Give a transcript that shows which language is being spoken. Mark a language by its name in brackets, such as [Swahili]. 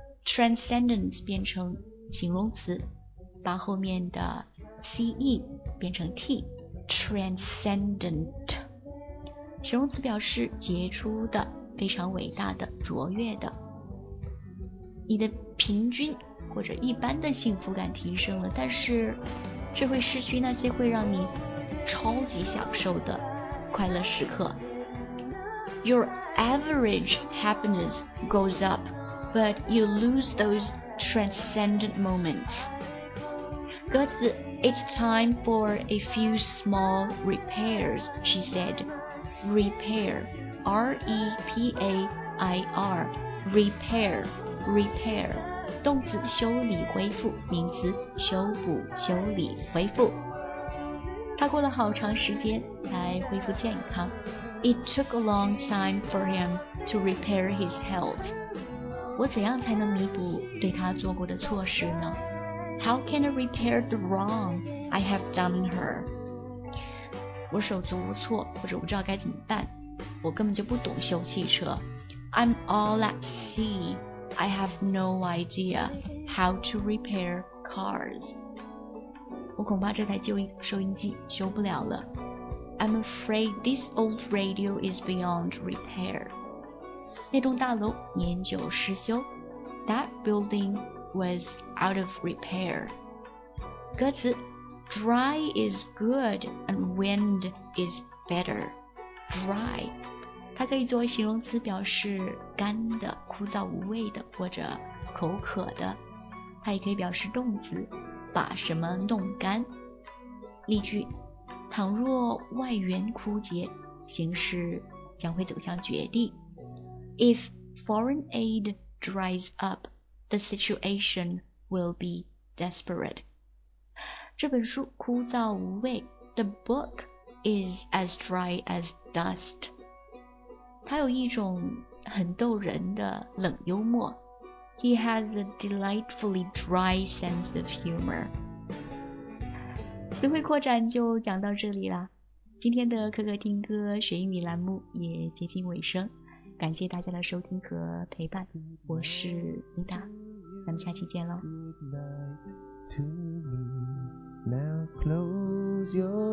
[Chinese] Transcendence 变成形容词，把后面的 ce 变成 t, transcendent, 形容词表示杰出的、非常伟大的、卓越的。你的平均或者一般的幸福感提升了，但是却会失去那些会让你超级享受的快乐时刻。 [English] Your average happiness goes up, but you lose thoseTranscendent moments. [Chinese] 歌词 [English] It's time for a few small repairs, she said. Repair, R-E-P-A-I-R, repair, repair. [Chinese] 动词修理恢复，名词修补修理恢复。他过了好长时间才恢复健康。 [English] It took a long time for him to repair his health. [Chinese] 我怎样才能弥补对她做过的错事呢？ [English] How can I repair the wrong I have done her? [Chinese] 我手足无措，或者不知道该怎么办。我根本就不懂修汽车。 [English] I'm all at sea. I have no idea how to repair cars. [Chinese] 我恐怕这台旧收音机修不了了。 [English] I'm afraid this old radio is beyond repair. [Chinese] 那栋大楼年久失修。 [English] That building was out of repair. [Chinese] 歌词 [English] Dry is good and wind is better. Dry. [Chinese] 它可以作为形容词，表示干的、枯燥无味的或者口渴的。它也可以表示动词，把什么弄干。例句倘若外缘枯竭，形势将会走向绝地。 [English] If foreign aid dries up, the situation will be desperate. [Chinese] 这本书枯燥无味。 [English] The book is as dry as dust. [Chinese] 它有一种很逗人的冷幽默。 [English] He has a delightfully dry sense of humor. [Chinese] 词汇扩展就讲到这里啦。今天的可可听歌学英语栏目也接近尾声。感谢大家的收听和陪伴，我是琳达，咱们下期见喽。 [English] Good night to me. Now close your eyes and go to sleep.